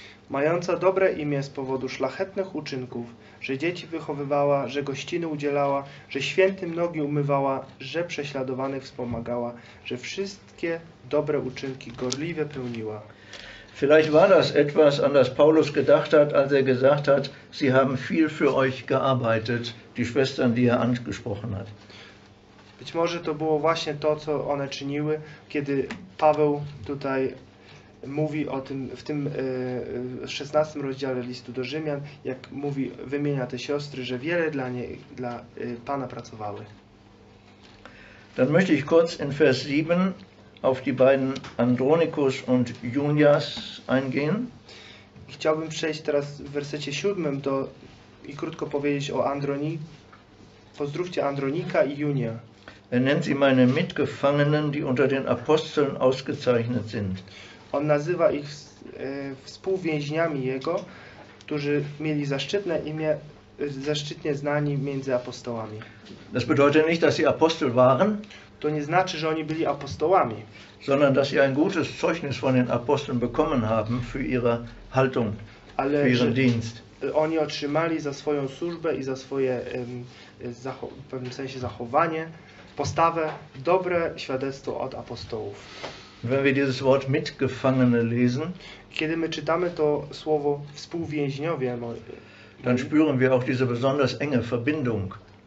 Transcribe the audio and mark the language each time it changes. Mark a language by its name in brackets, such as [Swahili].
[Polish] mająca dobre imię z powodu szlachetnych uczynków, że dzieci wychowywała, że gościny udzielała, że świętym nogi umywała, że prześladowanych wspomagała, że wszystkie dobre uczynki gorliwie pełniła. [German] Vielleicht war das etwas, an das Paulus gedacht hat, als er gesagt hat, sie haben viel für euch gearbeitet, die Schwestern, die er angesprochen hat. [Polish] Być może to było właśnie to, co one czyniły, kiedy Paweł tutaj mówi o tym, w tym 16 rozdziale listu do Rzymian, jak mówi, wymienia te siostry, że wiele dla Pana pracowały. [German] Dann möchte ich kurz in Vers 7 auf die beiden Andronikus und Junias eingehen. [Polish] Chciałbym przejść teraz w wersecie 7 do i krótko powiedzieć o Andronii. Pozdrówcie Andronika i Junia. [German] Er nennt sie meine Mitgefangenen, die unter den Aposteln ausgezeichnet sind. [Polish] On nazywa ich współwięźniami jego, którzy mieli zaszczytne imię, zaszczytnie znani między apostołami. [German] Das bedeutet nicht, dass sie Apostel waren. [Polish] To nie znaczy, że oni byli apostołami, [German] sondern dass sie ein gutes Zeugnis von den Aposteln bekommen haben für ihre Haltung, [Polish] ale [German] für ihren Dienst. [Polish] Oni otrzymali za swoją służbę i za swoje w pewnym sensie zachowanie, postawę, dobre świadectwo od apostołów. [German] Wenn wir dieses Wort mitgefangene lesen, [Polish] kiedy my czytamy to słowo współwięźniowie, [German] dann spüren wir auch diese besonders enge Verbindung.